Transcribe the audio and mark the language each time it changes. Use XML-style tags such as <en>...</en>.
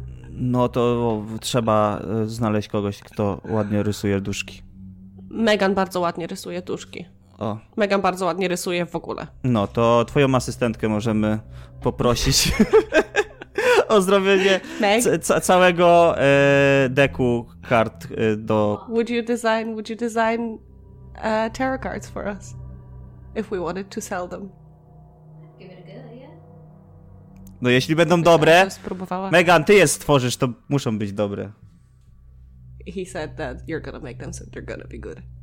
<pl>No to trzeba znaleźć kogoś, kto ładnie rysuje duszki. Megan bardzo ładnie rysuje duszki. O. Megan bardzo ładnie rysuje w ogóle. No, to twoją asystentkę możemy poprosić o zrobienie całego deku kart do...</pl> <en>Would you design tarot cards for us? If we wanted to sell them.</en> <pl>No, jeśli będą dobre... Spróbowała. Megan, ty je stworzysz, to muszą być dobre.</pl> <en>He said that you're gonna make them, so they're gonna be good.</en>